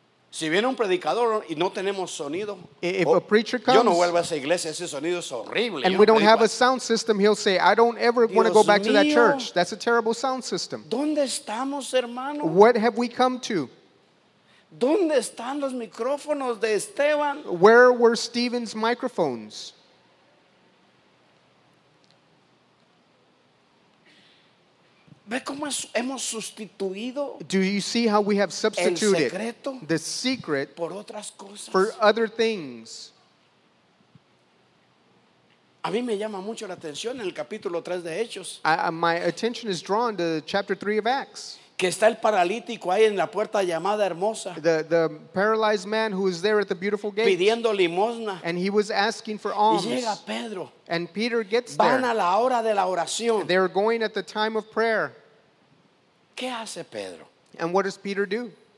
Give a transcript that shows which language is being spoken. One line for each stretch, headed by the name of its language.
Spanish: Si viene un predicador y no tenemos sonido,
English: if a preacher comes,
Spanish: yo no vuelvo a esa iglesia, ese sonido es horrible.
English: And
Spanish: yo
English: we don't have a sound system, he'll say, I don't ever want to go back to that church. That's a terrible sound system.
Spanish: ¿Dónde estamos, hermano?
English: What have we come to?
Spanish: ¿Dónde están los micrófonos de Esteban?
English: Where were Stephen's microphones?
Spanish: ¿Ve cómo hemos sustituido?
English: Do you see how we have substituted the secret
Spanish: por otras cosas?
English: For other things?
Spanish: A mí me llama mucho la atención el capítulo 3 de Hechos.
English: My attention is drawn to chapter 3 of Acts.
Spanish: Que está el paralítico ahí en la puerta llamada Hermosa.
English: The paralyzed man who is there at the beautiful gate.
Spanish: Pidiendo limosna.
English: And he was asking for alms.
Spanish: Y llega Pedro.
English: And Peter gets
Spanish: van Van a la hora de la oración.
English: They're going at the time of prayer.
Spanish: ¿Qué hace Pedro?
English: And what does Peter do?